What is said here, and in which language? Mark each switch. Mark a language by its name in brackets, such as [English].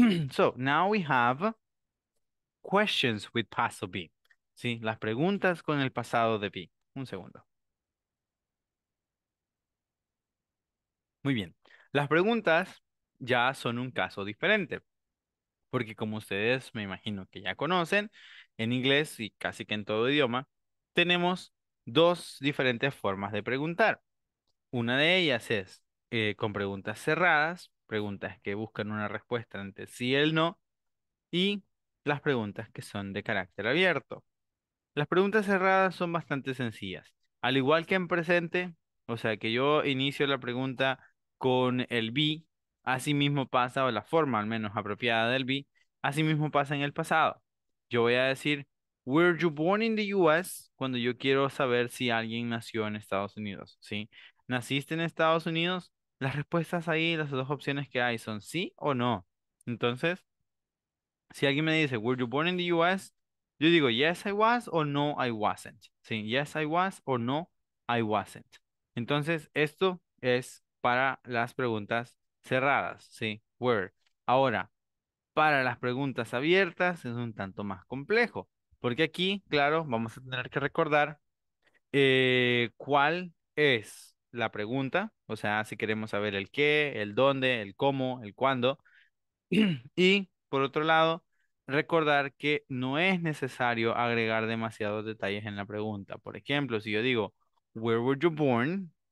[English] So, now we have questions with past of be. [Spanish] Sí, las preguntas con el pasado de be. Un segundo. Muy bien. Las preguntas ya son un caso diferente. Porque como ustedes me imagino que ya conocen, en inglés y casi que en todo idioma, tenemos dos diferentes formas de preguntar. Una de ellas es con preguntas cerradas, preguntas que buscan una respuesta entre sí y el no, y las preguntas que son de carácter abierto. Las preguntas cerradas son bastante sencillas. Al igual que en presente, o sea que yo inicio la pregunta con el be, así mismo pasa, o la forma al menos apropiada del be, así mismo pasa en el pasado. Yo voy a decir, [English] were you born in the US? [Spanish] Cuando yo quiero saber si alguien nació en Estados Unidos, ¿sí? ¿Naciste en Estados Unidos? Las respuestas ahí, las dos opciones que hay son sí o no. Entonces, si alguien me dice, [English] were you born in the US? [Spanish] Yo digo, [English] yes, I was, [Spanish] o [English] no, I wasn't. [Spanish] Sí, [English] yes, I was, [Spanish] o [English] no, I wasn't. [Spanish] Entonces, esto es para las preguntas cerradas, sí, were. Ahora, para las preguntas abiertas es un tanto más complejo, porque aquí, claro, vamos a tener que recordar cuál es la pregunta, o sea, si queremos saber el qué, el dónde, el cómo, el cuándo, y por otro lado, recordar que no es necesario agregar demasiados detalles en la pregunta. Por ejemplo, si yo digo, [English] where were you born?